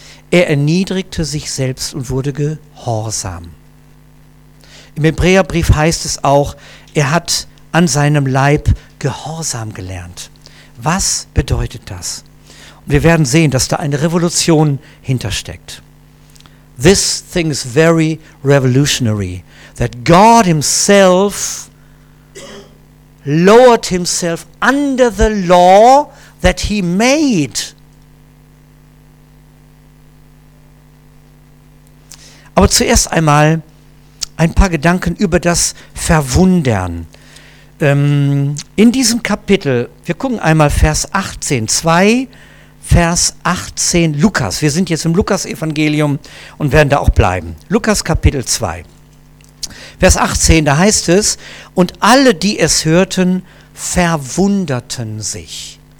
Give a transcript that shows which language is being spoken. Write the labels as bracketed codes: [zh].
[de] Er erniedrigte sich selbst und wurde gehorsam. Im Hebräerbrief heißt es auch, er hat an seinem Leib gehorsam gelernt. Was bedeutet das? Und wir werden sehen, dass da eine Revolution hintersteckt. [en] This thing is very revolutionary, that God himself lowered himself under the law that he made. [de] Aber zuerst einmal ein paar Gedanken über das Verwundern. In diesem Kapitel, wir gucken einmal Vers 18, 2, Vers 18, Lukas. Wir sind jetzt im Lukas-Evangelium und werden da auch bleiben. Lukas Kapitel 2, Vers 18, da heißt es, und alle, die es hörten, verwunderten sich.